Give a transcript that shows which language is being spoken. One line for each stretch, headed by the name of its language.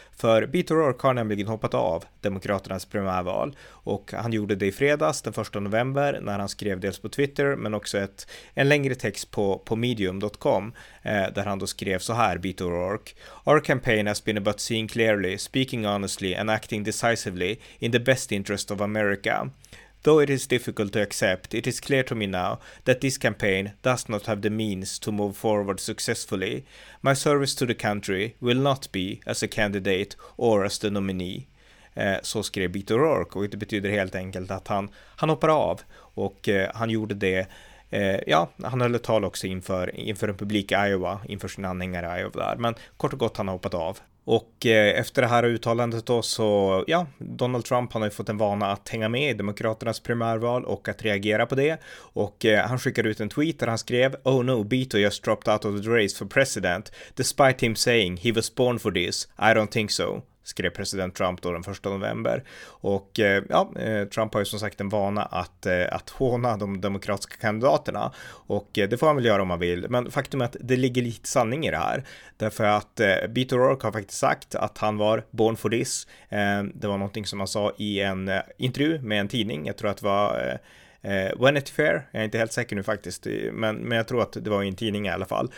Swedish: För Beto O'Rourke har nämligen hoppat av demokraternas primärval, och han gjorde det i fredags den 1 november när han skrev dels på Twitter men också en längre text på medium.com där han då skrev så här: Beto O'Rourke:
English: "Our campaign has been about seeing clearly, speaking honestly and acting decisively in the best interest of America. Though it is difficult to accept, it is clear to me now that this campaign does not have the means to move forward successfully. My service to the country will not be as a candidate or as the nominee."
Swedish: Så skrev Beto O'Rourke, och det betyder helt enkelt att han hoppar av, och han gjorde det. Ja, han höll ett tal också inför en publik i Iowa, inför sina anhängare i Iowa där, men kort och gott, han har hoppat av. Och efter det här uttalandet då, så ja, Donald Trump, han har ju fått en vana att hänga med i demokraternas primärval och att reagera på det. Och han skickade ut en tweet där han skrev:
English: "Oh no, Beto just dropped out of the race for president, despite him saying he was born for this, I don't think so."
Swedish: Skrev president Trump då den 1 november. Och ja, Trump har ju som sagt en vana att håna de demokratiska kandidaterna. Och det får han väl göra om han vill. Men faktum är att det ligger lite sanning i det här. Därför att Beto O'Rourke har faktiskt sagt att han var
English: born for this.
Swedish: Det var någonting som han sa i en intervju med en tidning. Jag tror att det var Vanity Fair, jag är inte helt säker nu faktiskt, men jag tror att det var i en tidning i alla fall.